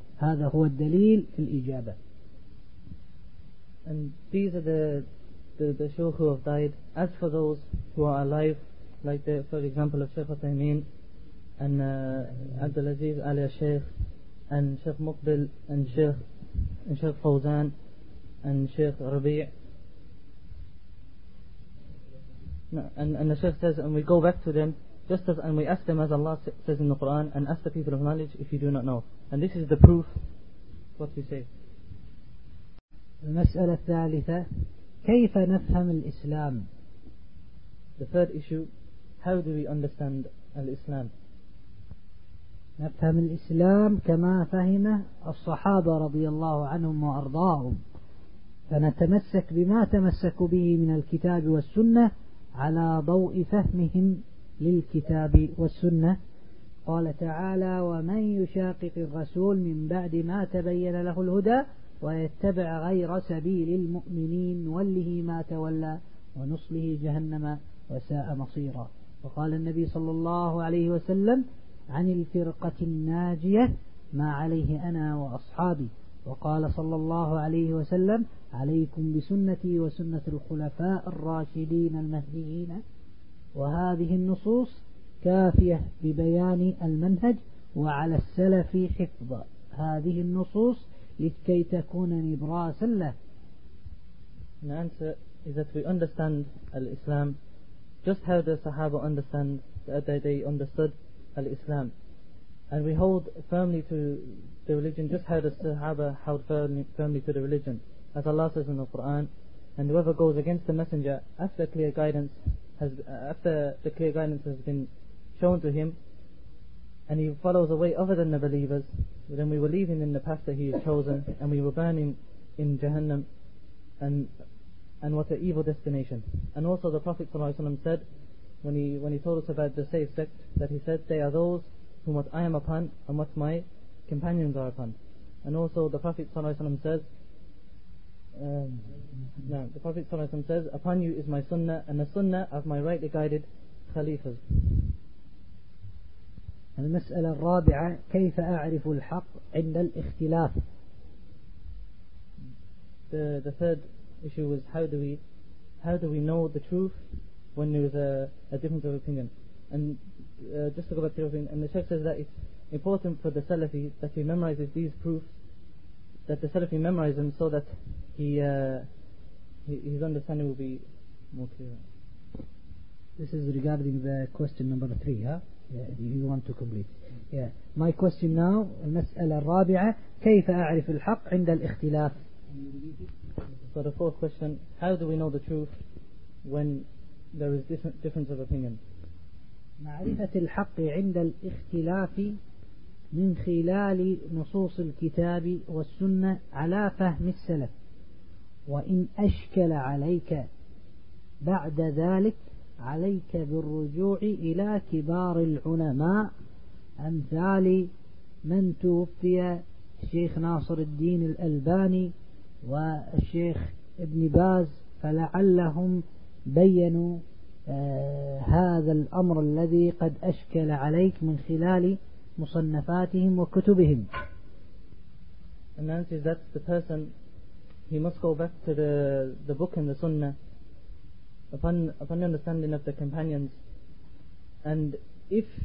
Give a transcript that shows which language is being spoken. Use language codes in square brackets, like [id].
[ar] هذا هو الدليل في الإجابة. [en] And these are the shaykh who have died. As for those who are alive, like the, for example of Sheikh Uthaymeen and Abdulaziz Ali Sheikh and Sheikh Muqbil and Sheikh Fawzan and Sheikh Rabi', and the Shaykh says, and we go back to them just as, and we ask them as Allah says in the Quran, and ask the people of knowledge if you do not know, and this is the proof what we say. [ar] المسألة الثالثة: كيف نفهم الإسلام. [en] The third issue: how do we understand Islam. [ar] نفهم الإسلام كما فهمه الصحابة رضي الله عنهم وأرضاهم، فنتمسك بما تمسك به من الكتاب والسنة على ضوء فهمهم للكتاب والسنة. قال تعالى: ومن يشاقق الرسول من بعد ما تبين له الهدى ويتبع غير سبيل المؤمنين وله ما تولى ونصله جهنم وساء مصيرا. وقال النبي صلى الله عليه وسلم عن الفرقة الناجية: ما عليه أنا وأصحابي. وقال صلى الله عليه وسلم: عليكم بسنتي وسنة الخلفاء الراشدين المهديين. وهذه النصوص كافية ببيان المنهج، وعلى السلف حفظ هذه النصوص لكي تكون نبراسا له. [en] Is that we understand al-Islam just how the Sahaba understand that they understood al-Islam, and we hold firmly to the religion just how the Sahaba held firmly to the religion, as Allah says in the Quran: and whoever goes against the messenger after the clear guidance has been shown to him, and he follows a way other than the believers, then we will leave him in the path that he has chosen, and we will burn him in Jahannam, and what an evil destination. And also the Prophet ﷺ said, when he told us about the safe sect, that he said, they are those whom what I am upon and what my companions are upon. And also the Prophet ﷺ says, upon you is my sunnah and the sunnah of my rightly guided khalifas. [ar] المسألة الرابعة: كيف أعرف الحق عند الاختلاف؟ [en] The third issue was how do we know the truth when there is a difference of opinion. And just to go back to your thing, and the Sheikh says that it's important for the Salafi that he memorizes these proofs, that the Salafi memorize them so that his understanding will be more clear. This is regarding the question number 3, huh? Yeah, you want to complete. Yeah. My question now, [ar] المسألة الرابعة: كيف أعرف الحق عند الاختلاف؟ [en] So the fourth question: how do we know the truth when there is difference of opinion? [ar] معرفة الحق عند الاختلاف من خلال نصوص الكتاب والسنة على فهم السلف. وإن أشكل عليك بعد ذلك عليك بالرجوع إلى كبار العلماء أمثال من توفي الشيخ ناصر الدين الألباني والشيخ ابن باز، فلعلهم بينوا هذا الأمر الذي قد أشكل عليك من خلال مصنفاتهم وكتبهم. [en] And the answer is that the person, he must go back to the book and the sunnah upon the understanding of the companions, and if